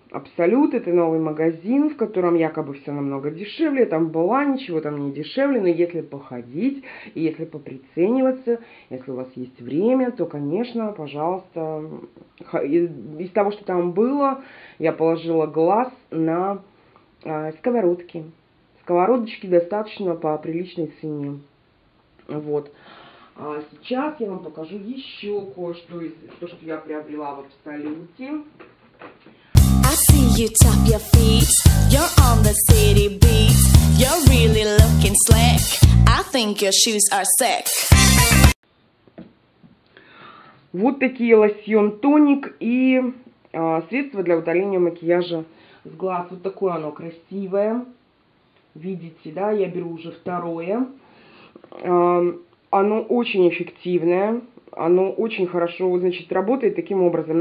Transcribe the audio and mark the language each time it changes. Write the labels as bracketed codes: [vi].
[ru] Абсолют — это новый магазин, в котором якобы все намного дешевле, там была, ничего там не дешевле, но если походить, и если поприцениваться, если у вас есть время, то, конечно, пожалуйста, из того, что там было, я положила глаз на сковородки. Сковородочки достаточно по приличной цене. Вот. А сейчас я вам покажу еще кое-что из того, что я приобрела в Абсолюте. [en] I see you tap your feet, you're on the city beat, you're really looking slick, I think your shoes are sick. [ru] Вот такие лосьон тоник и средства для удаления макияжа с глаз. Вот такое оно красивое. Видите, да, я беру уже второе. Оно очень эффективное, оно очень хорошо, значит, работает таким образом.